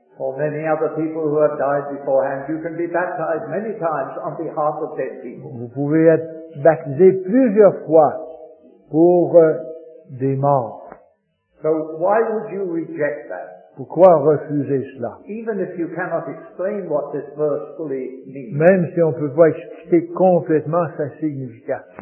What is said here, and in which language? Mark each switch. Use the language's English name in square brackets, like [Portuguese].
[English] For many other people who have died beforehand, you can be baptized many times on behalf of dead people. [French] Vous pouvez être baptisé plusieurs fois pour des morts. [English] So why would you reject that? [French] Pourquoi refuser cela? [English] Even if you cannot explain what this verse fully means. [French] Même si on ne peut pas expliquer complètement sa signification.